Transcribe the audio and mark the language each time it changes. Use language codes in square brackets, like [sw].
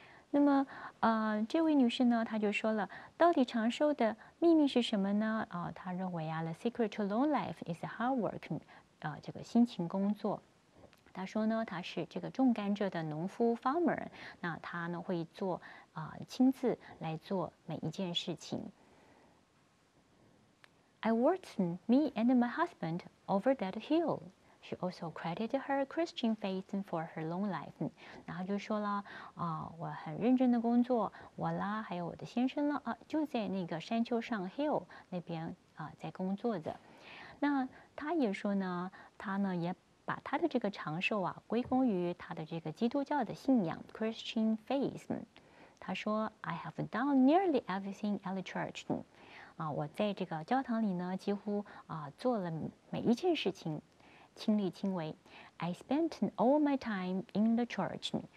[zh] 那么这位女士呢，她就说了，到底长寿的秘密是什么呢？她认为啊 ， [en] the secret to long life is hard work， [zh] 这个辛勤工作。她说呢，她是这个种甘蔗的农夫 farmer， 那她呢会做亲自来做每一件事情。 [en] I worked me and my husband over that hill. She also credited her Christian faith for her long life. [zh] 然后就说了我很认真的工作，我啦，还有我的先生了就在那个山丘上 hill 那边在工作着。那他也说呢，他呢也把他的这个长寿啊归功于他的这个基督教的信仰 Christian faith。他说 [en] ，I have done nearly everything at the church. [zh] 我在这个教堂里呢，几乎做了每一件事情。亲力亲为 [en] I spent all my time in the church.